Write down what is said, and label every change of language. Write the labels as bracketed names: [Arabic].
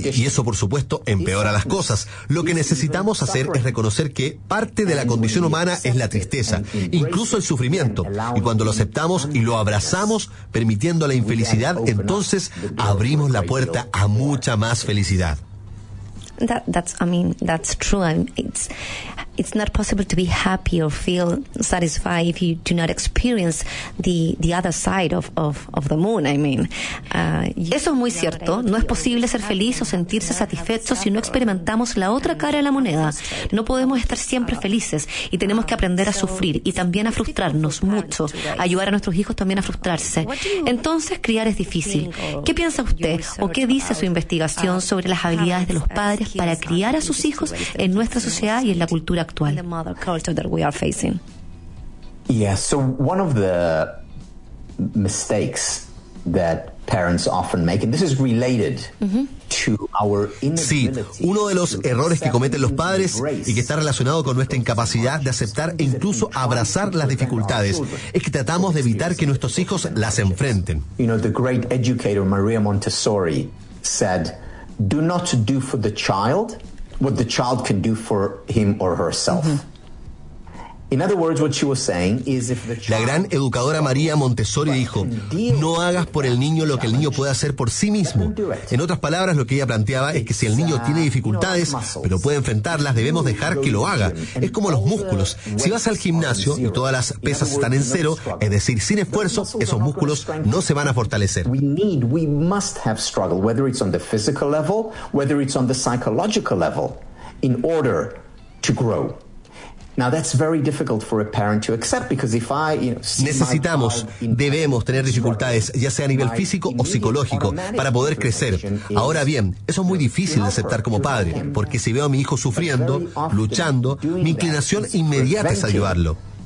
[Spanish] Y eso, por supuesto, empeora las cosas. Lo que necesitamos hacer es reconocer que parte de la condición humana es la tristeza, incluso el sufrimiento. Y cuando lo aceptamos y lo abrazamos, permitiendo la infelicidad, entonces abrimos la puerta a mucha más felicidad. [English] That's true. It's not possible to be happy or feel satisfied if you do not experience the other side of the moon. I mean, [Spanish] eso es muy cierto. No es posible ser feliz o sentirse satisfecho si no experimentamos la otra cara de la moneda. No podemos estar siempre felices y tenemos que aprender a sufrir y también a frustrarnos mucho, ayudar a nuestros hijos también a frustrarse. Entonces, criar es difícil. ¿Qué piensa usted o qué dice su investigación sobre las habilidades de los padres para criar a sus hijos en nuestra sociedad y en la cultura actual? [English] The mother culture that we are facing. Yeah, so one of the mistakes that parents often make, and this is related to our inability. [Spanish] Sí, uno de los errores que cometen los padres y que está relacionado con nuestra incapacidad de aceptar e incluso abrazar las dificultades es que tratamos de evitar que nuestros hijos las enfrenten. [English] You know, the great educator Maria Montessori said, "Do not do for the child what the child can do for him or herself." In other words, what she was saying is if the child. [Spanish] La gran educadora María Montessori dijo, no hagas por el niño lo que el niño puede hacer por sí mismo. En otras palabras, lo que ella planteaba es que si el niño tiene dificultades, pero puede enfrentarlas, debemos dejar que lo haga. Es como los músculos. Si vas al gimnasio y todas las pesas están en cero, es decir, sin esfuerzo, esos músculos no se van a fortalecer. [English] We must have struggle, whether it's on the physical level, whether it's on the psychological level, in order to grow. Now that's very difficult for a parent to accept because if I, you know, [Spanish] necesitamos, debemos tener dificultades, ya sea a nivel físico o psicológico, para poder crecer. Ahora bien, eso es muy difícil de aceptar como padre, porque si veo a mi hijo sufriendo, luchando, mi inclinación inmediata es ayudarlo.